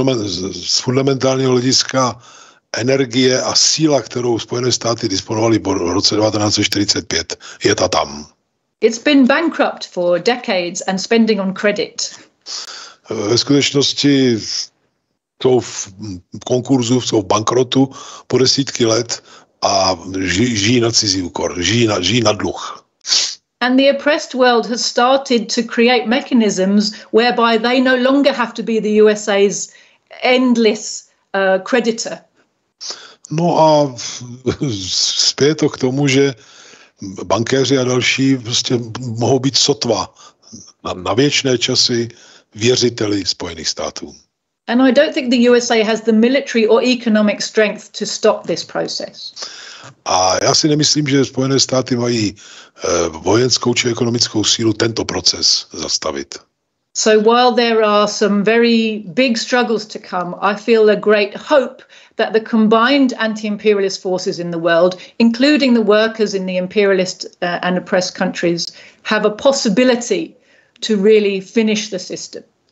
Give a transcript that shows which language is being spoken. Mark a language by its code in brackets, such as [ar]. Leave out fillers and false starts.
[cs] Z fundamentálního hlediska energie a síla, kterou Spojené státy disponovaly v roce 1945, je ta tam. [en] It's been bankrupt for decades and spending on credit. [cs] Ve skutečnosti jsou v konkurzu, jsou v bankrotu po desítky let a žijí na cizí úkor, žijí na dluh. [en] And the oppressed world has started to create mechanisms whereby they no longer have to be the USA's endless creditor. [cs] No a zpět to k tomu, že bankéři a další prostě mohou být sotva na věčné časy věřiteli Spojených států. [en] And I don't think the USA has the military or economic strength to stop this process. [cs] A já si nemyslím, že Spojené státy mají vojenskou či ekonomickou sílu tento proces zastavit. [en] So while there are some very big struggles to come, I feel a great hope that the combined anti-imperialist forces in the world, including the workers in the imperialist and oppressed countries, have a possibility to really finish the system.